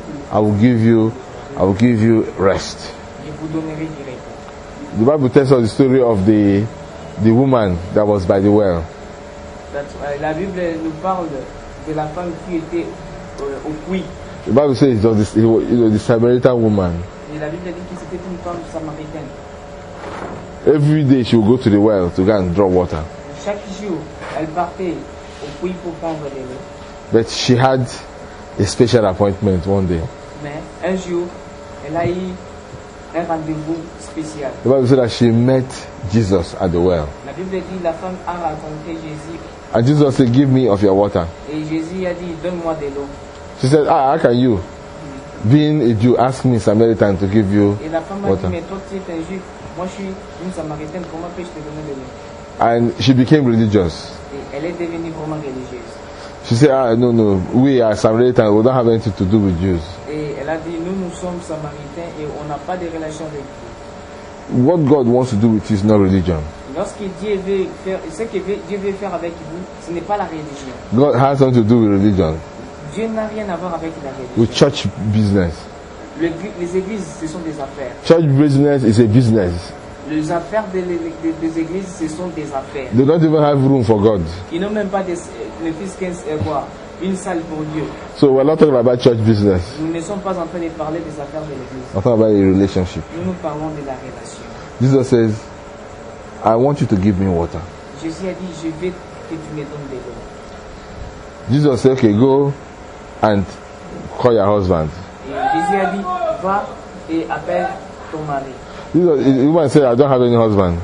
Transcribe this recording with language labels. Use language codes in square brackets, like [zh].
[en] I will give you rest. The Bible tells us the story of the woman that was by the well. [fr] La Bible nous parle de la femme qui était au puits. [en] The Bible says it was the Samaritan woman. [fr] Et la Bible dit que c'était une femme samaritaine. [en] Every day she would go to the well to go and draw water. [fr] Chaque jour, elle partait au puits pour prendre de l'eau. [en] But she had a special appointment one day. [fr] Mais un jour, elle a eu un rendez-vous spécial. [en] The Bible says that she met Jesus at the well. [fr] La Bible dit la femme a rencontré Jésus. [en] And Jesus said, give me of your water. [fr] Et Jésus a dit, donne-moi de l'eau. [en] She said, ah, how can you, being a Jew, ask me, Samaritan, to give you [fr] et la femme [en] water? [fr] A dit, mais toi, tu es un Juif. Moi, je suis une Samaritaine. Comment peux-je te donner de l'eau? [en] And she became religious. [fr] Et elle est devenue vraiment religieuse. [en] She said, ah, no, we are Samaritans. We don't have anything to do with Jews. [fr] Et elle a dit, nous sommes Samaritains et on n'a pas de relation avec Dieu. [en] What God wants to do with you is not religion. [fr] Lorsque Dieu veut faire, ce que Dieu veut faire avec vous, ce n'est pas la religion. [en] God has nothing to do with religion. [fr] Dieu n'a rien à voir avec la religion. [en] With church business. [fr] Les églises, ce sont des affaires. [en] Church business is a business. [fr] Les affaires des églises, ce sont des affaires. [en] They don't even have room for God. [fr] Ils n'ont même pas des ne fût-ce qu'un quoi. Une salle pour Dieu. [en] So we're not talking about church business. [fr] Nous ne sommes pas en train de parler des affaires de l'église. [en] We're talking about a relationship. [fr] Nous parlons de la relation. [en] Jesus says, I want you to give me water. [fr] Jésus a dit, je veux que tu me donnes de l'eau. [en] Jesus said, okay, go and call your husband. [fr] Jésus a dit, va et appelle ton mari. [en] Jesus, the woman said, I don't have any husband.